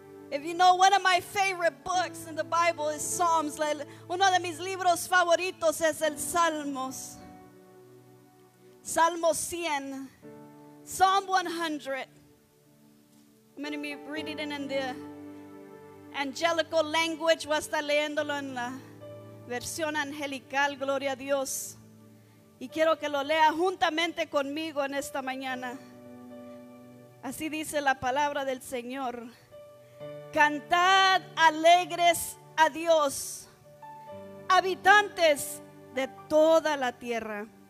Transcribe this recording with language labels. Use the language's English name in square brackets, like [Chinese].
[English] If you know, one of my favorite books in the Bible is Psalms. [Spanish] Uno de mis libros favoritos es el Salmos. Salmo 100. [English] Psalm 100. I'm going to be reading it in the angelical language. [Spanish] Voy a estar leyéndolo en la versión angelical, gloria a Dios. Y quiero que lo lea juntamente conmigo en esta mañana. Así dice la palabra del Señor. Cantad alegres a Dios, habitantes de toda la tierra.